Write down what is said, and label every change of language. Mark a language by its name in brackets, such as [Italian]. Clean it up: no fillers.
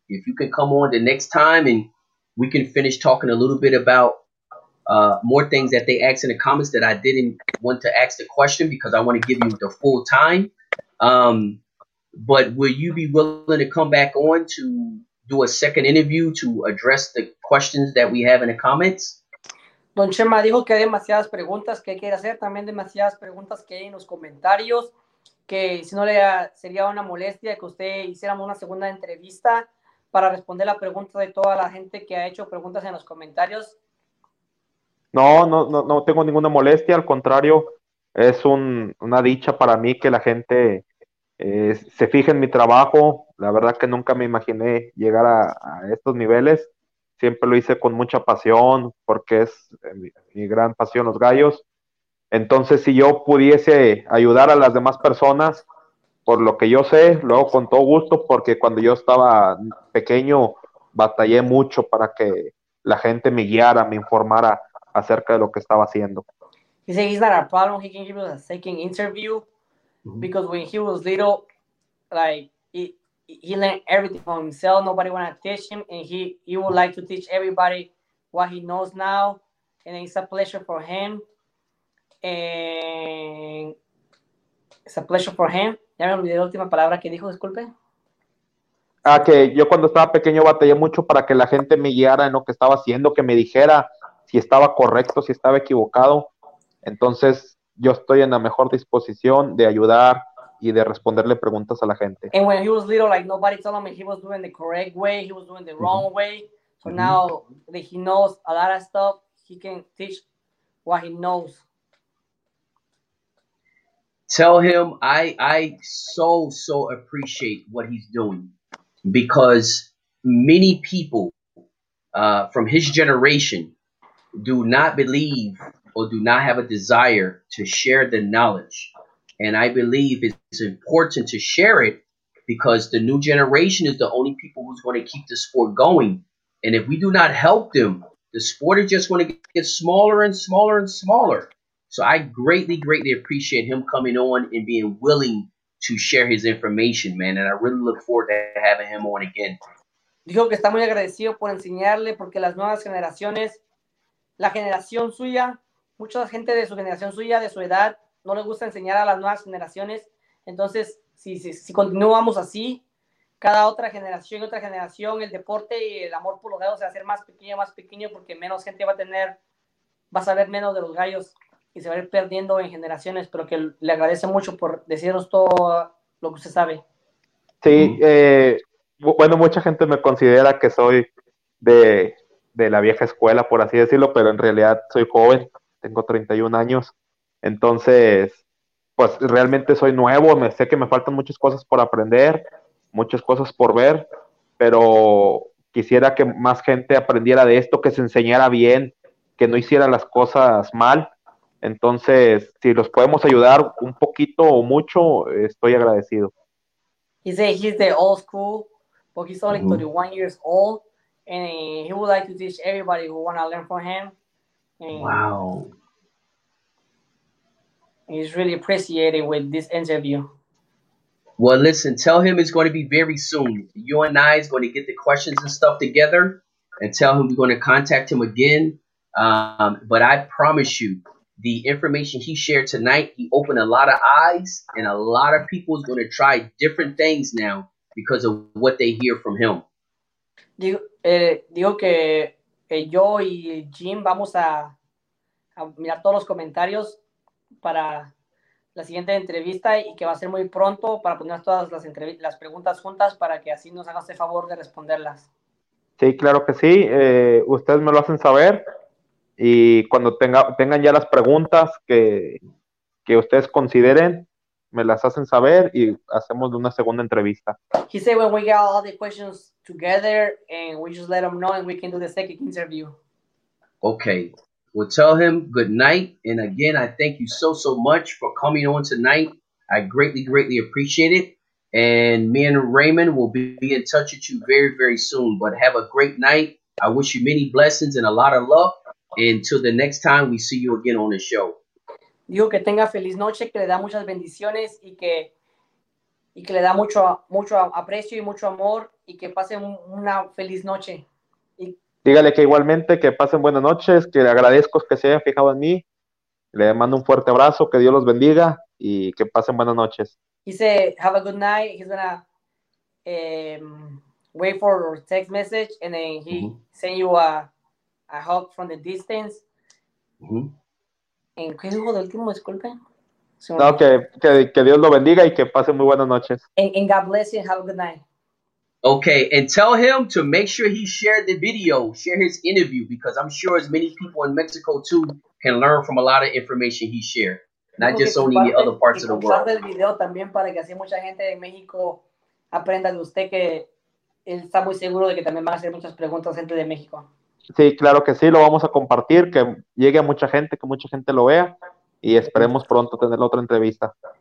[English] If you can come on the next time, and we can finish talking a little bit about more things that they asked in the comments that I didn't want to ask the question because I want to give you the full time. But will you be willing to come back on to do a second interview to address the questions that we have in the comments? [Spanish] Don Chema dijo que hay demasiadas preguntas que quiere hacer, también demasiadas preguntas que hay en los comentarios, que si no le sería una molestia que usted hiciéramos una segunda entrevista para responder la pregunta de toda la gente que ha hecho preguntas en los comentarios. No tengo ninguna molestia, al contrario, es una dicha para mí que la gente se fije en mi trabajo. La verdad que nunca me imaginé llegar a estos niveles. Siempre lo hice con mucha pasión, porque es mi gran pasión los gallos. Entonces, si yo pudiese ayudar a las demás personas, por lo que yo sé, lo hago con todo gusto, porque cuando yo estaba pequeño, batallé mucho para que la gente me guiara, me informara acerca de lo que estaba haciendo. [English] He said he's not a problem, he can give us a second interview. Because when he was little, like, he learned everything from himself. Nobody wanted to teach him, and he would like to teach everybody what he knows now. And it's a pleasure for him. And it's a pleasure for him. [Spanish] Ya me olvidé la última palabra que dijo, disculpe. Ah, que yo cuando estaba pequeño batallé mucho para que la gente me guiara en lo que estaba haciendo, que me dijera si estaba correcto, si estaba equivocado. Entonces, yo estoy en la mejor disposición de ayudar y de responderle preguntas a la gente. [English] And when he was little, like, nobody told him he was doing the correct way, he was doing the wrong mm-hmm. way. So mm-hmm. now that he knows a lot of stuff, he can teach what he knows. Tell him I so, so appreciate what he's doing, because many people from his generation do not believe or do not have a desire to share the knowledge. And I believe it's important to share it, because the new generation is the only people who's going to keep the sport going. And if we do not help them, the sport is just going to get smaller and smaller and smaller. So I greatly, greatly appreciate him coming on and being willing to share his information, man. And I really look forward to having him on again. [Spanish] Dijo que está muy agradecido por enseñarle, porque las nuevas generaciones, la generación suya, mucha gente de su generación suya, de su edad, no le gusta enseñar a las nuevas generaciones. Entonces, si continuamos así, cada otra generación, el deporte y el amor por los gallos se va a hacer más pequeño, porque menos gente va a saber menos de los gallos. y se va a ir perdiendo en generaciones, pero que le agradece mucho por decirnos todo lo que usted sabe. Sí, bueno, mucha gente me considera que soy de la vieja escuela, por así decirlo, pero en realidad soy joven, tengo 31 años, entonces, pues realmente soy nuevo, me sé que me faltan muchas cosas por aprender, muchas cosas por ver, pero quisiera que más gente aprendiera de esto, que se enseñara bien, que no hiciera las cosas mal. Entonces, si los podemos ayudar un poquito o mucho, estoy agradecido. [English] He said he's the old school, but he's only 31 years old, and he would like to teach everybody who want to learn from him. And wow. He's really appreciated with this interview. Well, listen, tell him it's going to be very soon. You and I is going to get the questions and stuff together and tell him we're going to contact him again. But I promise you, the information he shared tonight, he opened a lot of eyes, and a lot of people is going to try different things now because of what they hear from him. [Spanish] Digo que yo y Jim vamos a mirar todos los comentarios para la siguiente entrevista y que va a ser muy pronto para poner todas las preguntas juntas para que así nos hagas el favor de responderlas. Sí, claro que sí. Ustedes me lo hacen saber y cuando tengan ya las preguntas que ustedes consideren, me las hacen saber y hacemos una segunda entrevista. [English] He said when we get all the questions together and we just let them know and we can do the second interview. Okay. We'll tell him good night. And again, I thank you so, so much for coming on tonight. I greatly, greatly appreciate it. And me and Raymond will be in touch with you very, very soon. But have a great night. I wish you many blessings and a lot of luck. And until the next time, we see you again on the show. [Spanish] Digo que tenga feliz noche, que le da muchas bendiciones y que le da mucho, mucho aprecio y mucho amor y que pase una feliz noche. Dígale que igualmente que pasen buenas noches, que le agradezco que se haya fijado en mí. Le mando un fuerte abrazo, que Dios los bendiga y que pasen buenas noches. [English] He said, have a good night. He's going to wait for a text message and then he send you a hug from the distance. [Spanish] ¿En qué dijo de último? Disculpe. No, que Dios lo bendiga y que pasen muy buenas noches. [English] And God bless you and have a good night. Okay, and tell him to make sure he shared the video, share his interview, because I'm sure as many people in Mexico, too, can learn from a lot of information he shared, not just only in the other parts of the world. [Spanish] Y compartir el video también para que así mucha gente de México aprenda de usted, que él está muy seguro de que también van a hacer muchas preguntas gente de México. Sí, claro que sí, lo vamos a compartir, que llegue a mucha gente, que mucha gente lo vea, y esperemos pronto tener otra entrevista.